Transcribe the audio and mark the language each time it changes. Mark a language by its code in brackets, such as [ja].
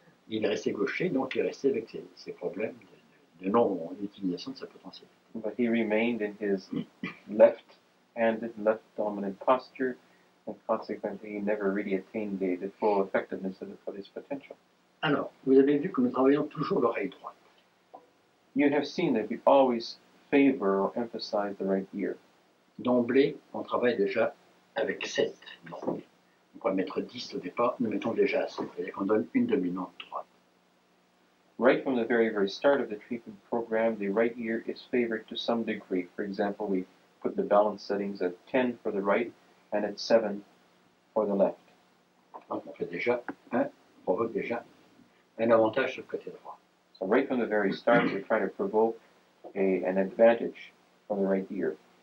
[fr] Il est resté gaucher, donc il est resté avec ses problèmes de non-utilisation de sa potentialité. [en] But he remained in his left-handed, left-dominant posture, and consequently he never really attained the full effectiveness of his potential. [fr] Alors, vous avez vu que nous travaillons toujours l'oreille droite. [en] You have seen that we always favor or emphasize the right ear. [fr] D'emblée, on travaille déjà avec 7 normes. On pourrait mettre 10 au départ, nous mettons déjà 7, c'est-à-dire qu'on donne une dominante droite. [en] Right from the very, very start of the treatment program, the right ear is favored to some degree. For example, we put the balance settings at 10 for the right and at 7 for the left. [fr] Donc on fait déjà, hein, on provoque déjà un avantage sur le côté droit. [en] So right from the very start, we try to provoke an advantage for the right ear.